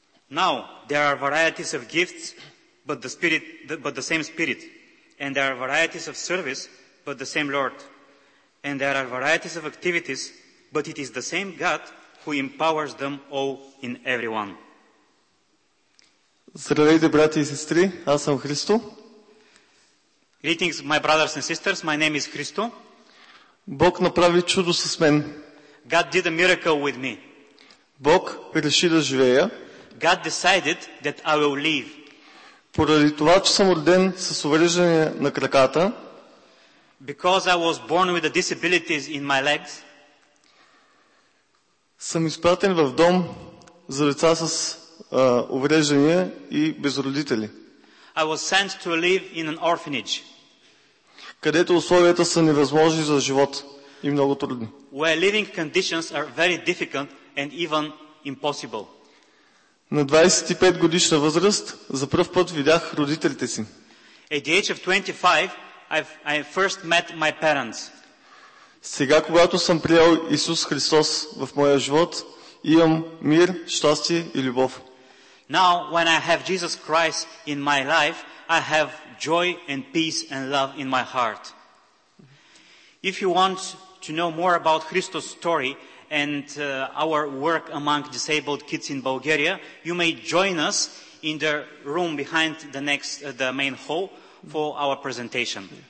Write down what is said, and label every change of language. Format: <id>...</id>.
<en>Now there are varieties of gifts, but the same Spirit, and there are varieties of service, but the same Lord, and there are varieties of activities, but it is the same God who empowers them all in everyone.</en> <bg>Здравейте, брати и сестри, аз съм Христо.</bg> <en>Greetings, my brothers and sisters, my name is Христо.</en> <bg>Бог направи чудо с мен.</bg> <en>God did a miracle with me.</en> <bg>Бог реши да живея.</bg> <en>God decided that I will live.</en> <bg>Поради това, че съм роден с увреждане на краката.</bg> <en>Because I was born with a disability in my legs.</en> <bg>Съм изпратен в дом за деца с увреждания и без родители.</bg> <en>I was sent to live in an orphanage.</en> <bg>Където условията са невъзможни за живот и много трудни.</bg> <en>Where living conditions are very difficult and even impossible.</en> <bg>На 25 годишна възраст за пръв път видях родителите си.</bg> <en>At the age of 25, I first met my parents.</en> <bg>Сега, когато съм приел Исус Христос в моя живот, имам мир, щастие и любов.</bg> <en>Now, when I have Jesus Christ in my life, I have joy and peace and love in my heart. If you want to know more about Christos' story and our work among disabled kids in Bulgaria, you may join us in the room behind the main hall for our presentation.</en>